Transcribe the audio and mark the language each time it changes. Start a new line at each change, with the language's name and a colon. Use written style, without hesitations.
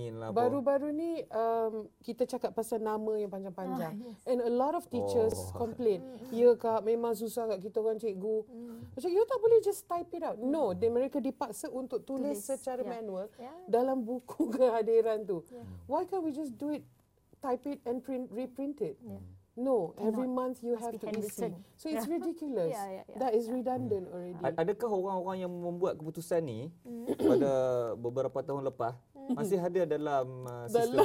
Malay: Baru-baru ni kita cakap pasal nama yang panjang-panjang.
English: And a lot of teachers complain.
Malay: Ya kak, memang susah kat kita orang cikgu. Macam, you tak boleh
English: just type it out.
Malay: No, mereka dipaksa untuk tulis secara manual dalam buku kehadiran tu.
English: Why can't we just do it, type it and print, reprint it? No, every month you have to listen. So it's ridiculous. That is redundant already.
Malay: Adakah orang-orang yang membuat keputusan ni pada beberapa tahun lepas masih ada dalam sistem?